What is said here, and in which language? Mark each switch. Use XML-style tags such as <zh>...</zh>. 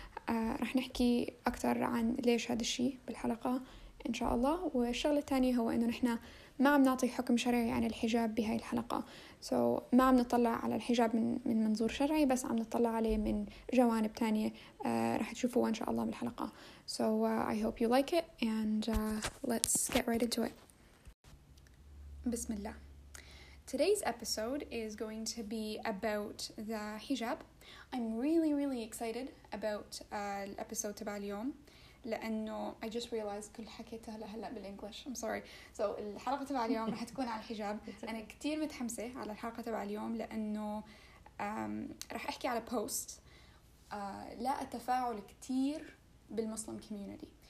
<ar>رح نحكي أكتر عن ليش هذا الشيء بالحلقة إن شاء الله. والشغلة الثانية هو إنه نحنا ما عم نعطي حكم شرعي عن الحجاب بهاي الحلقة. So ما عم نطلع على الحجاب من منظور شرعي بس عم نطلع عليه من جوانب تانية رح تشوفوها إن شاء الله بالحلقة.</ar> <en>So I hope you like it and let's get right into it.</en> <ar>بسم الله.</ar> <en>Today's episode is going to be about the hijab. I'm really really excited about</en> <ar>الأبيسود تبع اليوم. لأنه</ar> <en>I just realized</en> <ar>كل حكيتها هلا بالإنجليش.</ar> <en>I'm sorry.</en> <ar>So الحلقة تبع اليوم رح تكون على الحجاب. أنا كتير متحمسة على الحلقة تبع اليوم لأنه رح أحكي على post لقى تفاعل كتير بالمسلم community.</ar>